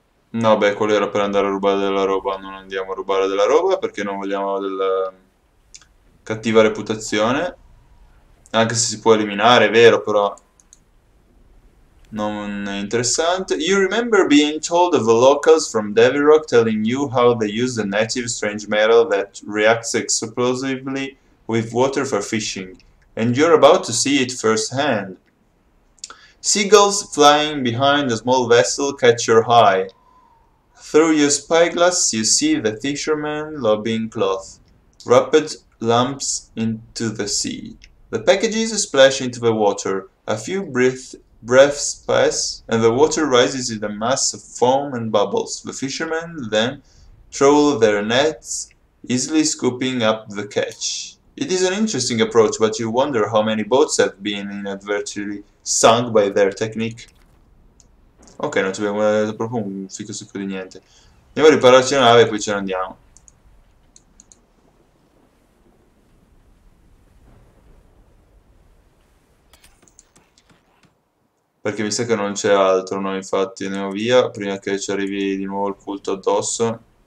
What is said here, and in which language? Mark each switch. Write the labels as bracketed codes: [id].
[it] No, beh, quello era per andare a rubare della roba. Non andiamo a rubare della roba perché non vogliamo della cattiva reputazione. Anche se si può eliminare, è vero, però non è interessante. [en] You remember being told of the locals from Devil Rock telling you how they use a native strange metal that reacts explosively with water for fishing, and you're about to see it firsthand. Seagulls flying behind a small vessel catch your eye. Through your spyglass, you see the fishermen lobbing cloth, wrapped lumps into the sea. The packages splash into the water. A few breaths pass, and the water rises in a mass of foam and bubbles. The fishermen then trawl their nets, easily scooping up the catch. It is an interesting approach, but you wonder how many boats have been inadvertently sunk by their technique. [it] Ok, non ci abbiamo proprio un fico secco di niente. Andiamo a ripararci la nave e poi ce ne andiamo. Perché mi sa che non c'è altro, noi infatti andiamo via prima che ci arrivi di nuovo il culto addosso.